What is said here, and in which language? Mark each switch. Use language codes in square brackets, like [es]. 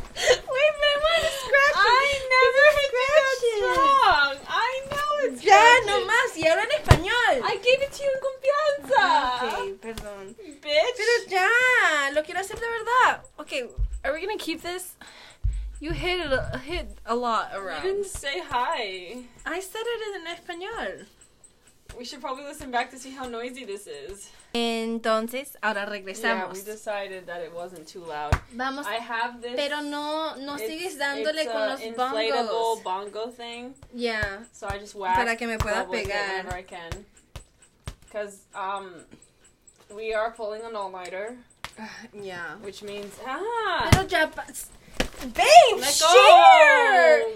[en] Wait, but I want to scratch it. I never hit that strong. I know it's [es] ya, scratching. No más. Y ahora en español. [en] I gave it to you in confianza. Okay, perdón. Bitch. [es] Pero ya, lo quiero hacer de verdad. [en] Okay, are we going to keep this? You hit a lot around. You didn't say hi. I said it in español. We should probably listen back to see how noisy this is. [es] Entonces, ahora regresamos. [en] Yeah, we decided that it wasn't too loud. [es] Vamos. [en] I have this. [es] Pero no sigues dándole con los bongos. [en] It's an inflatable bongo thing. Yeah. So I just whack. [es] Para que me pueda pegar. [en] Whenever I can. Because, we are pulling an all-nighter. Yeah. Which means, [es] Pero ya babe, share!